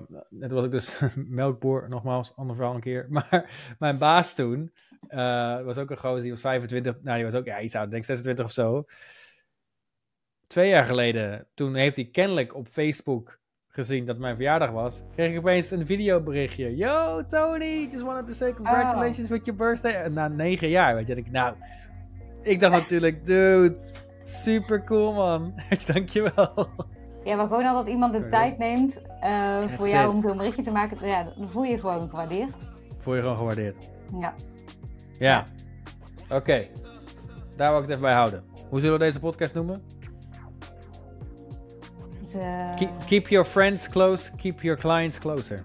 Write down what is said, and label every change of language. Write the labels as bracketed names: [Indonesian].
[Dutch] Net was ik dus melkboer, nogmaals, ander verhaal een keer. Maar mijn baas toen, was ook een gozer, die was 25... die was ook iets ouder, denk ik 26 of zo. 2 jaar geleden, toen heeft hij kennelijk op Facebook gezien dat mijn verjaardag was, kreeg ik opeens een videoberichtje. [English] Yo, Tony, just wanted to say congratulations with your birthday. [Dutch] En na 9 jaar, weet je, dacht ik, nou, ik dacht natuurlijk, [English] dude, super cool, man. [Dutch] Dankjewel. Ja, maar gewoon al dat iemand de tijd neemt voor jou om zo'n berichtje te maken, ja, dan voel je je gewoon gewaardeerd. Voel je gewoon gewaardeerd. Ja. Ja. Oké. Daar wil ik het even bij houden. Hoe zullen we deze podcast noemen? [English] Keep your friends close, keep your clients closer.